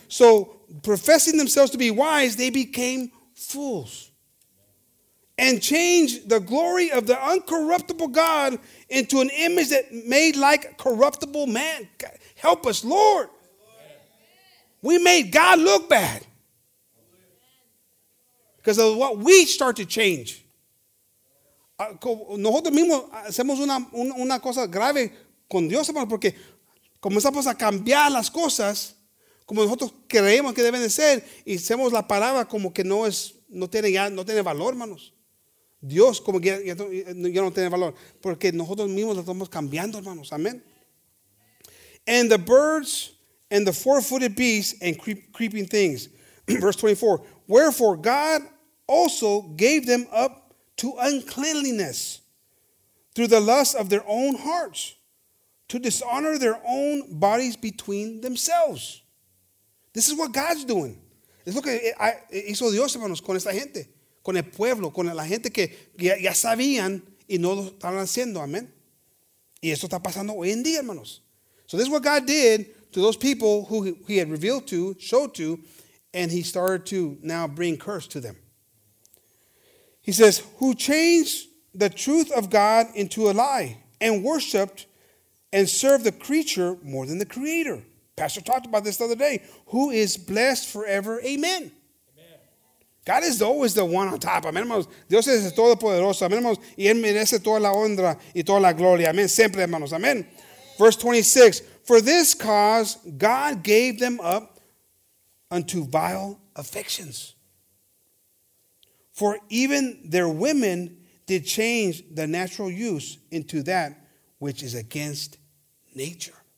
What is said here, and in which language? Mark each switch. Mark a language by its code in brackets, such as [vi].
[en] So, professing themselves to be wise, they became fools and changed the glory of the uncorruptible God into an image that made like corruptible man. Help us, Lord. We made God look bad because of what we start to change. [es] Nosotros mismos hacemos una cosa grave con Dios, hermano, porque comenzamos a cambiar las cosas como nosotros creemos que deben de ser y hacemos la palabra como que no tiene valor, hermanos. Dios como que ya no tiene valor porque nosotros mismos la estamos cambiando, hermanos. Amén. [en] And the birds and the four-footed beasts and creeping things. Verse 24. Wherefore God also gave them up to uncleanliness through the lust of their own hearts to dishonor their own bodies between themselves. This is what God's doing. [es] Es lo que hizo Dios, hermanos, con esta gente, con el pueblo, con la gente que ya sabían y no lo estaban haciendo. Amén. Y esto está pasando hoy en día, hermanos. [en] So this is what God did to those people who he had revealed to, showed to, and he started to now bring curse to them. He says, who changed the truth of God into a lie and worshiped and served the creature more than the creator. Pastor talked about this the other day. Who is blessed forever? Amen. God is always the one on top. Amen, hermanos. [es] Dios es todo poderoso. [en] Amen, hermanos. [es] Y él merece toda la honra y toda la gloria. [en] Amen. Siempre, hermanos. Amen. Verse 26. For this cause, God gave them up unto vile affections. For even their women did change the natural use into that which is against nature.